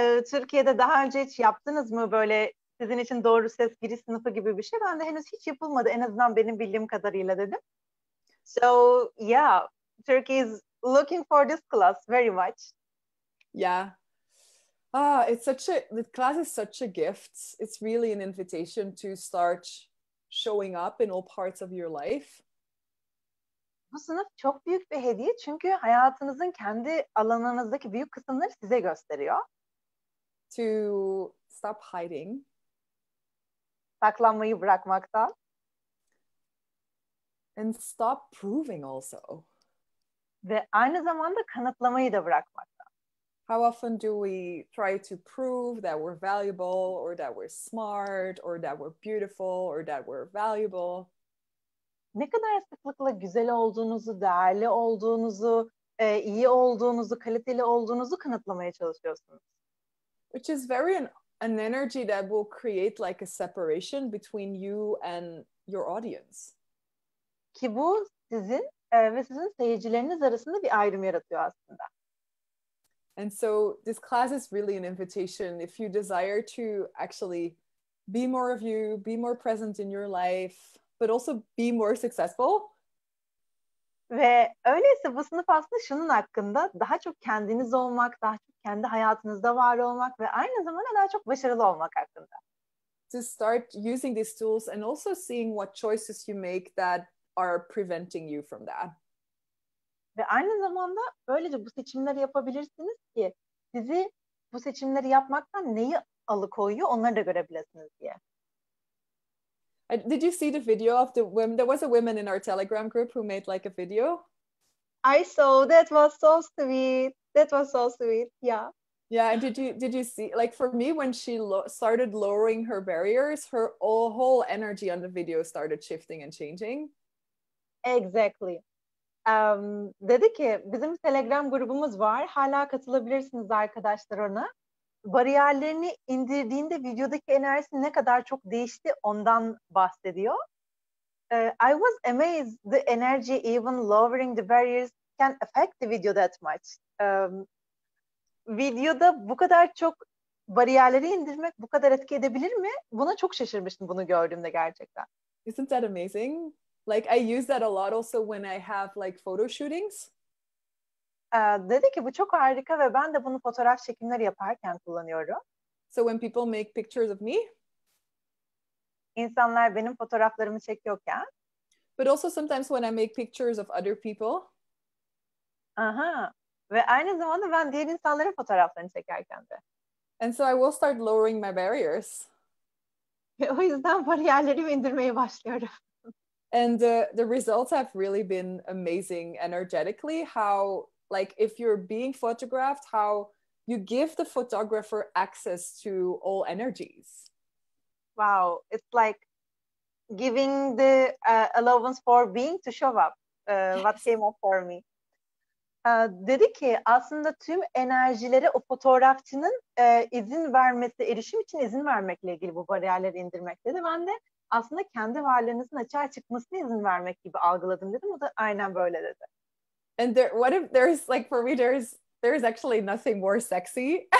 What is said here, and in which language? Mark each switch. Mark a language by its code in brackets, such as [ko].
[tr] Türkiye'de daha önce hiç yaptınız mı böyle sizin için doğru ses giriş sınıfı gibi bir şey? Ben de henüz hiç yapılmadı en azından benim bildiğim kadarıyla dedim. [en] So, yeah, Turkey is looking for this class very much. Yeah. Ah, it's such a, the class is such a gift. It's really an invitation to start showing up in all parts of your life. [tr] Bu sınıf çok büyük bir hediye çünkü hayatınızın kendi alanınızdaki büyük kısımları size gösteriyor. [en] To stop hiding. [tr] Saklanmayı bırakmaktan. [en] And stop proving also. [tr] Ve aynı zamanda kanıtlamayı da bırakmaktan. [en] How often do we try to prove that we're valuable or that we're smart or that we're beautiful or that we're valuable? [tr] Ne kadar sıklıkla güzel olduğunuzu, değerli olduğunuzu, iyi olduğunuzu, kaliteli olduğunuzu kanıtlamaya çalışıyorsunuz. [en] Which is very an energy that will create like a separation between you and your audience. [tr] Ki bu sizin ve sizin seyircileriniz arasında bir ayrım yaratıyor aslında. [en] And so this class is really an invitation if you desire to actually be more of you, be more present in your life. But also be more successful. [tr] Ve öyleyse bu sınıf aslında şunun hakkında daha çok kendiniz olmak, daha çok kendi hayatınızda var olmak ve aynı zamanda daha çok başarılı olmak hakkında. [en] To start using these tools and also seeing what choices you make that are preventing you from that. [tr] Ve aynı zamanda böylece bu seçimleri yapabilirsiniz ki sizi bu seçimleri yapmaktan neyi alıkoyuyor onları da görebilirsiniz diye. [en] Did you see the video of the women? There was a woman in our Telegram group who made like a video. I saw. That was so sweet. That was so sweet. Yeah. Yeah. And did you see? Like for me, when she started lowering her barriers, her whole energy on the video started shifting and changing. Exactly. [tr] Dedi ki, bizim Telegram grubumuz var. Hala katılabilirsiniz arkadaşlar ona. Bariyerlerini indirdiğinde videodaki enerjisi ne kadar çok değişti ondan bahsediyor. [en] I was amazed the energy even lowering the barriers can affect the video that much. [tr] Videoda bu kadar çok bariyerleri indirmek bu kadar etki edebilir mi? Buna çok şaşırmıştım bunu gördüğümde gerçekten. [en] Isn't that amazing? Like I use that a lot also when I have like photo shootings. [tr] Dedi ki bu çok harika ve ben de bunu fotoğraf çekimleri yaparken kullanıyorum. [en] So when people make pictures of me? [tr] İnsanlar benim fotoğraflarımı çekiyorken. [en] But also sometimes when I make pictures of other people. Aha. [tr] Ve aynı zamanda ben diğer insanların fotoğraflarını çekerken de. [en] And so I will start lowering my barriers. [tr] O yüzden bariyerlerimi indirmeye başlıyorum. [en] And the results have really been amazing energetically, how, like, if you're being photographed, how you give the photographer access to all energies. Wow. It's like giving the allowance for being to show up, yes. What came up for me. [tr] Dedi ki aslında tüm enerjilere o fotoğrafçının izin vermesi, erişim için izin vermekle ilgili bu bariyerleri indirmek dedi. Ben de aslında kendi varlığınızın açığa çıkmasına izin vermek gibi algıladım dedim. O da aynen böyle dedi. [en] And there, what if there is, like, for me, there is actually nothing more sexy.